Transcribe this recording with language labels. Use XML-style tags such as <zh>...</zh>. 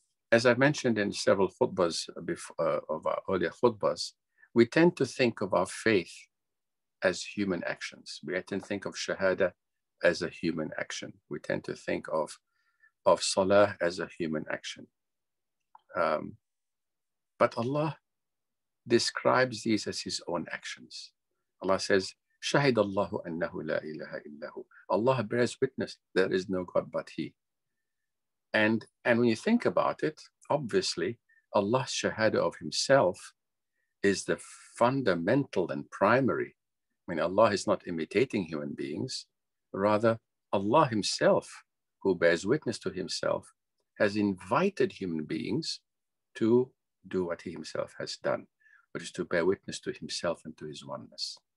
<en>As I've mentioned in several khutbahs before, of our earlier khutbahs, we tend to think of our faith as human actions. We tend to think of shahada as a human action. We tend to think of salah as a human action. But Allah describes these as his own actions. Allah says,</en> <ar>شَهِدَ اللَّهُ أَنَّهُ لَا إِلَهَ إِلَّهُ.</ar> <en>Allah bears witness, there is no God but He. And when you think about it, obviously, Allah's shahada of Himself is the fundamental and primary. I mean, Allah is not imitating human beings. Rather, Allah Himself, who bears witness to Himself, has invited human beings to do what He Himself has done, which is to bear witness to Himself and to His oneness.</en>